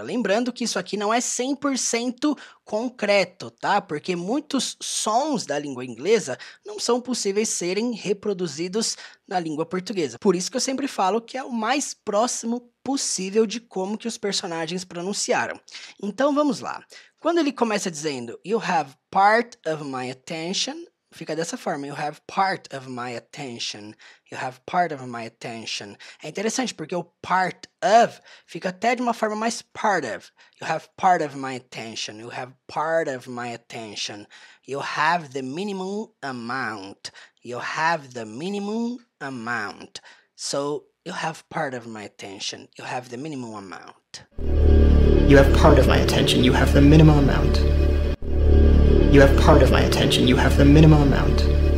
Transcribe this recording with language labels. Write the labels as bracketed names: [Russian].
[Portuguese] Lembrando que isso aqui não é 100% concreto, tá? Porque muitos sons da língua inglesa não são possíveis serem reproduzidos na língua portuguesa. Por isso que eu sempre falo que é o mais próximo possível de como que os personagens pronunciaram. Então, vamos lá. Quando ele começa dizendo, [English] You have part of my attention, [Portuguese] fica dessa forma, [English] you have part of my attention, you have part of my attention. [Portuguese] É interessante porque o part of fica até de uma forma mais part of. [English] You have part of my attention, you have part of my attention. You have the minimum amount, you have the minimum amount. So, you have part of my attention, you have the minimum amount. You have part of my attention, you have the minimum amount. You have part of my attention, you have the minimum amount.